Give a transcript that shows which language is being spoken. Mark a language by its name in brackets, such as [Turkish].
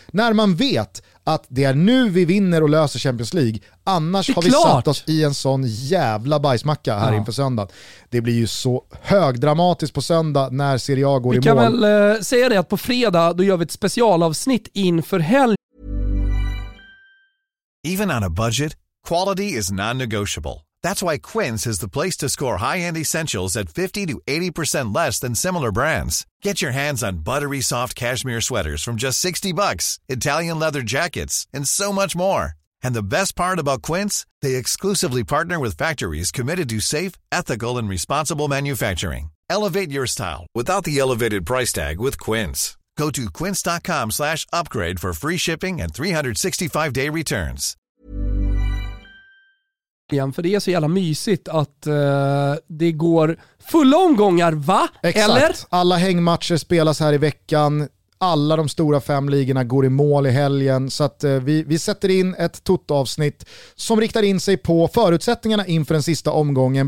[Swedish] När man vet att det är nu vi vinner och löser Champions League. Annars har vi satt oss i en sån jävla bajsmacka här inför söndag. Det blir ju så högdramatiskt på söndag när Serie A går vi i mål. Vi kan väl säga det att på fredag då gör vi ett specialavsnitt inför helg. [English] Even on a budget, quality is non-negotiable. That's why Quince is the place to score high-end essentials at 50 to 80% less than similar brands. Get your hands on buttery soft cashmere sweaters from just $60, Italian leather jackets, and so much more. And the best part about Quince, they exclusively partner with factories committed to safe, ethical, and responsible manufacturing. Elevate your style without the elevated price tag with Quince. Go to quince.com/upgrade for free shipping and 365-day returns. [Swedish] För det är så jävla mysigt att det går fulla omgångar, va? Exakt. Eller? Alla hängmatcher spelas här i veckan. Alla de stora fem ligorna går i mål i helgen. Så att vi sätter in ett totavsnitt som riktar in sig på förutsättningarna inför den sista omgången.